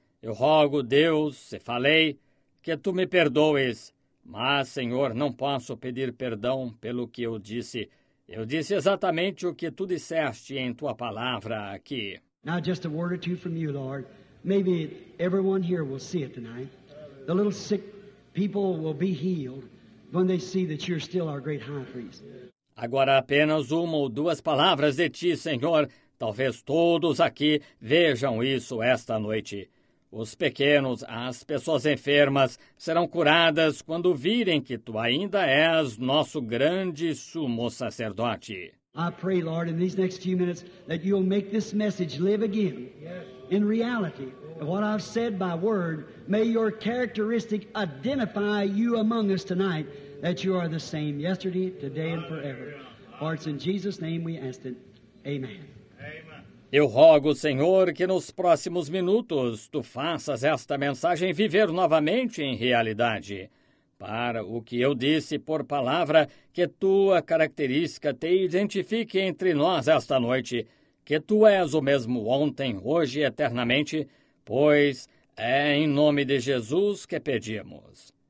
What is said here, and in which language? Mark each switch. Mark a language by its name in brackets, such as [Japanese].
[Portuguese] Eu rogo, Deus, se falei, que Tu me perdoes. Mas, Senhor, não posso pedir perdão pelo que eu disse. Eu disse exatamente o que Tu disseste em Tua palavra aqui. [English] Now, just a word or two from you, Lord. Maybe everyone here will see it tonight. The little sick people will be healed when they see that You're still our great high priest. [Portuguese] Agora, apenas uma ou duas palavras de Ti, Senhor. Talvez todos aqui vejam isso esta noite. Os pequenos, as pessoas enfermas, serão curadas quando virem que Tu ainda és nosso grande sumo sacerdote. [English] I pray, Lord, in these next few minutes, that You'll make this message live again. In reality, what I've said by word, may Your characteristic identify You among us tonight, that You are the same yesterday, today, and forever. For it's in Jesus' name we ask it. Amen. [Portuguese] Eu rogo, Senhor, que nos próximos minutos Tu faças esta mensagem viver novamente em realidade. Para o que eu disse por palavra, que Tua característica te identifique entre nós esta noite, que Tu és o mesmo ontem, hoje e eternamente, pois é em nome de Jesus que pedimos.